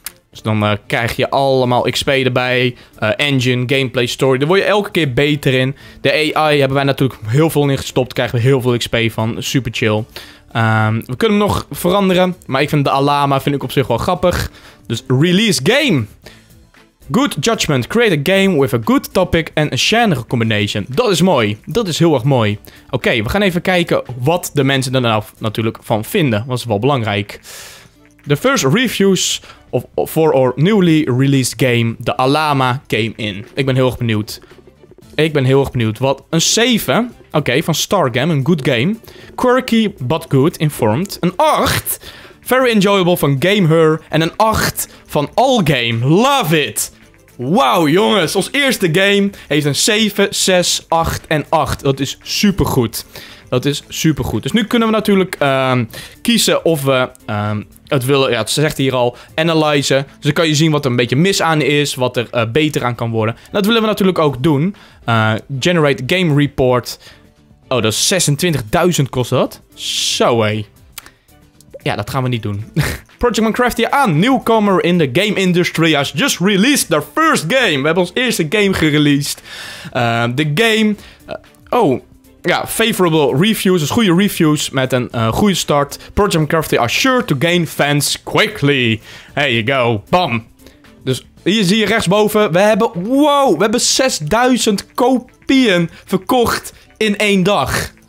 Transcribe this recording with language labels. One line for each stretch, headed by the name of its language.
Dutch: Dus dan krijg je allemaal XP erbij. Engine, gameplay, story. Daar word je elke keer beter in. De AI hebben wij natuurlijk heel veel in gestopt. Krijgen we heel veel XP van. Super chill. We kunnen hem nog veranderen. Maar ik vind de Alama vind ik op zich wel grappig.
English: Dus release game. Good judgment. Create a game with a good topic and a genre combination.
Dutch: Dat is mooi. Dat is heel erg mooi. Oké, we gaan even kijken wat de mensen er nou natuurlijk van vinden. Dat is wel belangrijk.
English: The first reviews for our newly released game, The Alama, came in.
Dutch: Ik ben heel erg benieuwd. Wat een 7. Oké, van Stargame, een good game.
English: Quirky, but good, informed.
Dutch: Een 8.
English: Very enjoyable van GameHer.
Dutch: En een 8 van Allgame.
English: Love it.
Dutch: Wauw, jongens. Ons eerste game heeft een 7, 6, 8 en 8. Dat is supergoed. Dus nu kunnen we natuurlijk kiezen of we... het willen, ja, het zegt hier al, analyzen. Dus dan kan je zien wat er een beetje mis aan is, wat er beter aan kan worden. En dat willen we natuurlijk ook doen.
English: Generate game report.
Dutch: Oh, dat is 26.000 kost dat. Zo, hé. Ja, dat gaan we niet doen. Project Minecraft hier aan.
English: Newcomer in the game industry has just released their first game.
Dutch: We hebben ons eerste game gereleased. De game... Ja, favorable reviews, dus goede reviews met een goede start.
English: Project Minecraft are sure to gain fans quickly. There you go, bam.
Dutch: Dus hier zie je rechtsboven, we hebben 6000 kopieën verkocht in één dag.